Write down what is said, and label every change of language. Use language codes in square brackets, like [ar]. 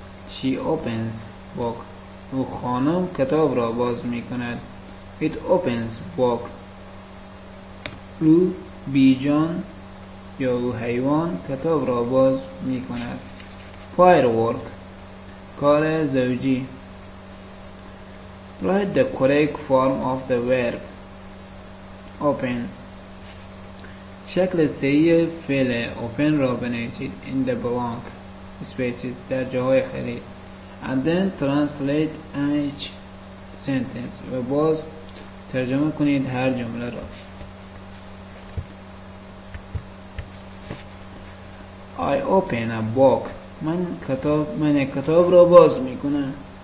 [en] She opens book, [fa] او خانم کتاب را باز می کند. [en] It opens book, [fa] او بیجان یا او حیوان کتاب را باز می کند. Firework, کار زوجی. [en] Write the correct form of the verb open. [fa] شکل صحیح فعل open را بنویسید. [en] In the blank spaces, [fa] در جاهای خالی. [en] And then translate each sentence, [fa] و باز ترجمه کنید هر جمله را. [en] I open a book, [fa] من کتاب را باز می کنم.